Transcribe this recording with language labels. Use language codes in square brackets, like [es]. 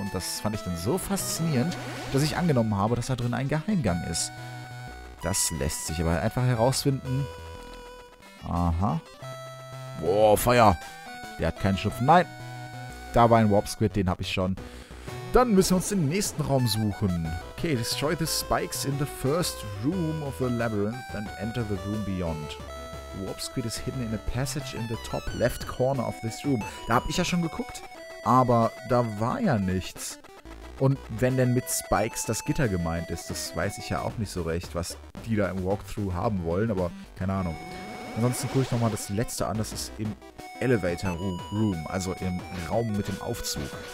[de] Und das fand ich dann so faszinierend, dass ich angenommen habe, dass da drin ein Geheimgang ist. Das lässt sich aber einfach herausfinden. Aha. Boah, Feuer. Der hat keinen Schlupf. Nein. Da war ein Warp Squid, den habe ich schon. Dann müssen wir uns den nächsten Raum suchen. [en] Okay, destroy the spikes in the first room of the labyrinth and enter the room beyond. The Warp Squid is hidden in a passage in the top left corner of this room. [de] Da habe ich ja schon geguckt, aber da war ja nichts. Und wenn denn mit Spikes das Gitter gemeint ist, das weiß ich ja auch nicht so recht, was die da im Walkthrough haben wollen, aber keine Ahnung. Ansonsten gucke ich nochmal das letzte an, das ist im Elevator Room, also im Raum mit dem Aufzug.